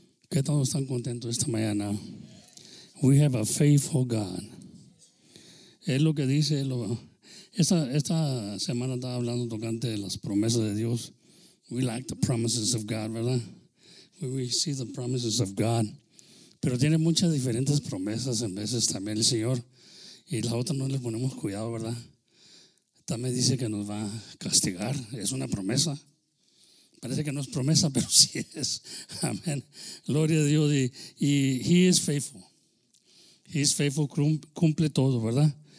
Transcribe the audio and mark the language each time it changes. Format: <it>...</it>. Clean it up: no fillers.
<es>Que todos están contentos esta mañana.</es> <en>We have a faithful God.</en> <es>Es lo que dice. Esta semana estaba hablando tocante de las promesas de Dios.</es> <en>We like the promises of God, ¿verdad? We see the promises of God.</en> <es>Pero tiene muchas diferentes promesas en veces también el Señor. Y las otras no le ponemos cuidado, ¿verdad? También dice que nos va a castigar. Es una promesa. Parece que no es promesa, pero sí es. Amén. Gloria a Dios.</es> <en>Y he is faithful. He is faithful,</en> <es>cumple todo, ¿verdad?</es>